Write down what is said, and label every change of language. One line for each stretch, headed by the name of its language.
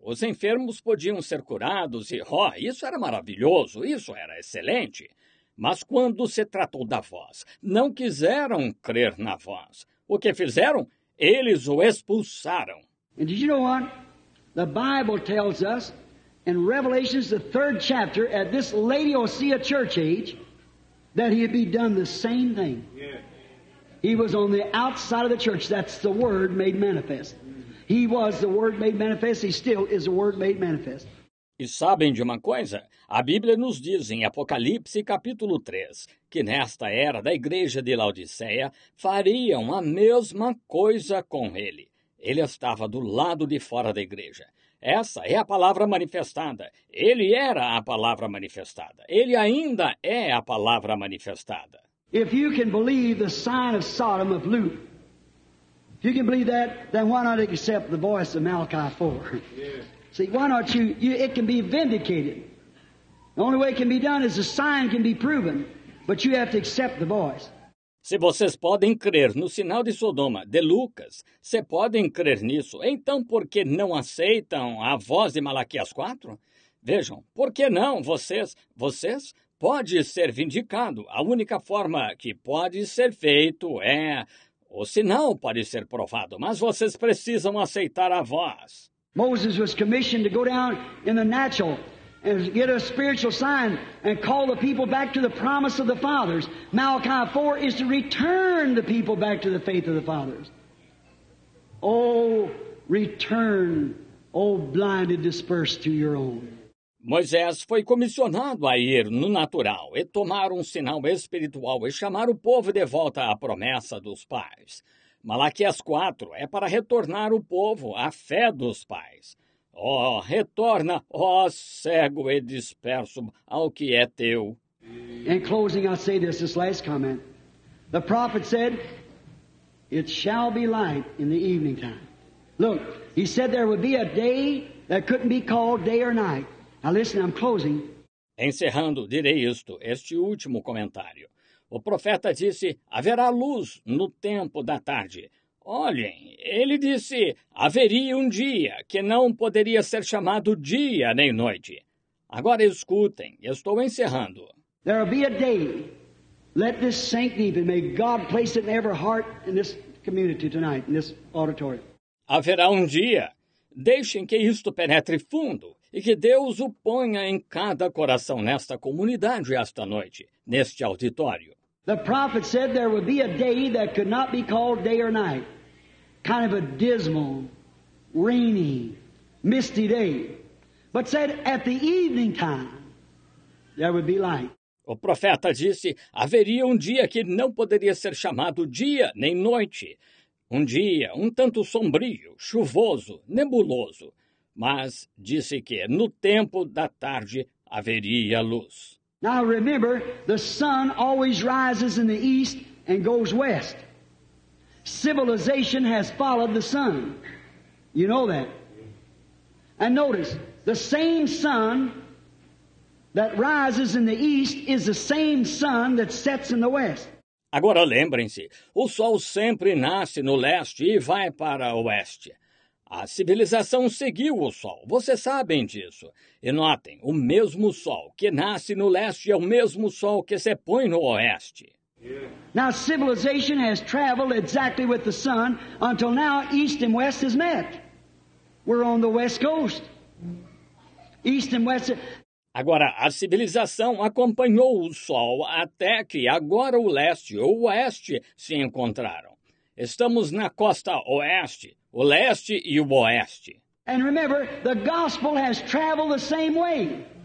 Portuguese: Os enfermos podiam ser curados e, oh, isso era maravilhoso, isso era excelente. Mas quando se tratou da voz, não quiseram crer na voz. O que fizeram? Eles o expulsaram.
English: And did you know what? The Bible tells us, in Revelation, the third chapter, at this Laodicea church age, that he had be done the same thing. Yeah. He was on the outside of the church. That's the Word made manifest. Mm-hmm. He was the Word made manifest. He still is the Word made manifest.
Portuguese: E sabem de uma coisa? A Bíblia nos diz em Apocalipse, capítulo 3, que nesta era da igreja de Laodicea, fariam a mesma coisa com ele. Ele estava do lado de fora da igreja. Essa é a palavra manifestada. Ele era a palavra manifestada. Ele ainda é a palavra manifestada.
English: If you can believe the sign of Sodom of Luke, if you can believe that, then why not accept the voice of Malachi 4? Yeah. See, why not you, it can be vindicated. The only way it can be done is the sign can be proven, but you have to accept the voice.
Portuguese: Se vocês podem crer no sinal de Sodoma, de Lucas, se podem crer nisso, então por que não aceitam a voz de Malaquias 4? Vejam, por que não vocês, pode ser vindicado. A única forma que pode ser feito é o sinal pode ser provado, mas vocês precisam aceitar a voz.
English: Moses was commissioned to go down in the natural and get a spiritual sign and call the people back to the promise of the fathers. Malachi 4 is to return the people back to the faith of the fathers. Oh, return, oh blinded, dispersed to your own.
Portuguese: Moisés foi comissionado a ir no natural e tomar um sinal espiritual e chamar o povo de volta à promessa dos pais. Malaquias 4 é para retornar o povo à fé dos pais. Ó, retorna, ó cego e disperso, ao que é teu.
English: In closing, I say this last comment. The prophet said, it shall be light in the evening time. Look, he said there would be a day that couldn't be called day or night. Now listen, I'm closing.
Portuguese: Encerrando, direi isto, este último comentário. O profeta disse, haverá luz no tempo da tarde. Olhem, ele disse, haveria um dia que não poderia ser chamado dia nem noite. Agora escutem, estou encerrando.
English: There will be a day, let this sink deep, and may God place it in every heart in this community tonight, in this auditorium.
Portuguese: Haverá um dia, deixem que isto penetre fundo, e que Deus o ponha em cada coração nesta comunidade esta noite, neste auditório.
English: The prophet said there would be a day that could not be called day or night, kind of a dismal, rainy, misty day, but said at the evening time, there would be light.
Portuguese: O profeta disse, haveria um dia que não poderia ser chamado dia nem noite, um dia um tanto sombrio, chuvoso, nebuloso, mas disse que no tempo da tarde haveria luz.
English: Now remember, the sun always rises in the east and goes west. Civilization has followed the sun. You know that. And notice, the same sun that rises in the east is the same sun that sets in the west.
Portuguese: Agora lembrem-se, o sol sempre nasce no leste e vai para o oeste. A civilização seguiu o sol, vocês sabem disso. E notem, o mesmo sol que nasce no leste é o mesmo sol que se põe no oeste.
English: Now civilization has traveled exactly with the sun until now east and west has met. We're on the west coast. East and west.
Portuguese: Agora, a civilização acompanhou o sol até que agora o leste ou o oeste se encontraram. Estamos na costa oeste, o leste e o oeste.
English: And remember, the gospel has traveled the same way.